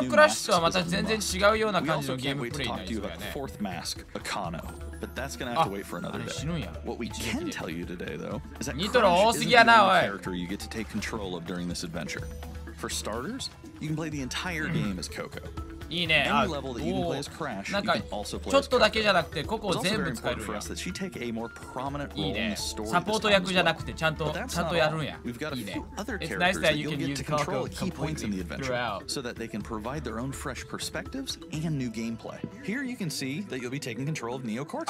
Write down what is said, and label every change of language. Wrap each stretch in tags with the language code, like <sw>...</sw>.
<ja>普通のクラッシュとはまた全然違うようなカジノゲームプレイになりそうやね。</ja> <en>The fourth mask, Akano. But that's gonna have to wait for another day. What we can tell you today, though, is that Crash is the only character you get to take control of during this adventure. For starters, you can play the entire game as Coco.</en> <ja>いいね。</ja> <en>Any level that you can play as Crash, you can also play as Coco.</en> <ja>ちょっとだけじゃなくて、ここを全部使える。</ja> <en>It's also very important for us that she take a more prominent role in the story.</en> <ja>サポート役じゃなくて、ちゃんとやるんや。</ja> <en>We've got a few other characters that you'll get to control at key points in the adventure, so that they can provide their own fresh perspectives and new gameplay. Here you can see that you'll be taking control of Neo Cortex.</en>